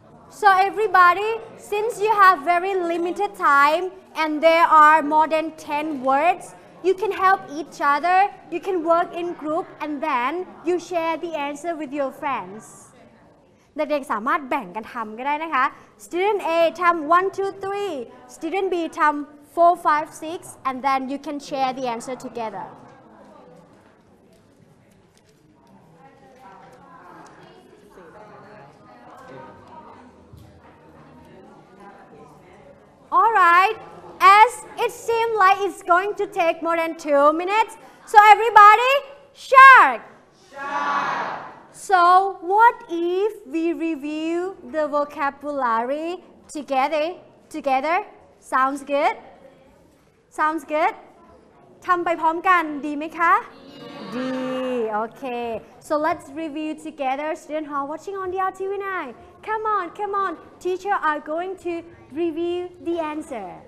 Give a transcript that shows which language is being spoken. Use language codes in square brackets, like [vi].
[en] So everybody, since you have very limited time and there are more than 10 words, you can help each other, you can work in group, and then you share the answer with your friends. [th] เด็กๆสามารถแบ่งกันทำก็ได้นะคะ Student A ทำ 1, 2, 3, Student B ทำ 4, 5, 6, [en] and then you can share the answer together. All right, as it seems like it's going to take more than 2 minutes, so everybody, shark! Shark! So what if we review the vocabulary together? Sounds good? [th] ทำไปพร้อมกันดีไหมคะ ดี okay. [en] So let's review together, student who are watching on the LTV 9. Come on, teacher are going toReview the answer.